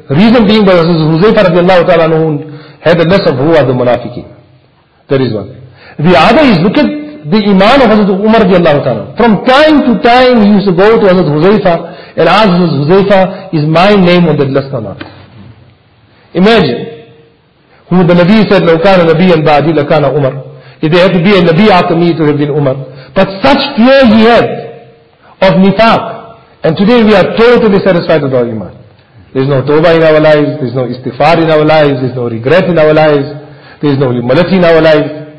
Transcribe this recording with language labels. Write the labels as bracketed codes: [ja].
[en] Reason being that Hazrat Huzayfa radiallahu ta'ala anhu had the less of who are the munafiqeen. That is one. The other is, look at the iman of Hazrat Umar radiallahu ta'ala. From time to time he used to go to Hazrat Huzayfa and ask Hazrat Huzayfa, is my name on the list or not? Imagine, who the Nabi said, [ar] لو كان نبيا بعدي لكان عمر. [en] If there had to be a Nabi after me, it would have been Umar. But such fear he had of nifaq. And today we are totally satisfied with our iman. There is no tawbah in our lives, there is no istighfar in our lives, there is no regret in our lives, there is no humility in our lives.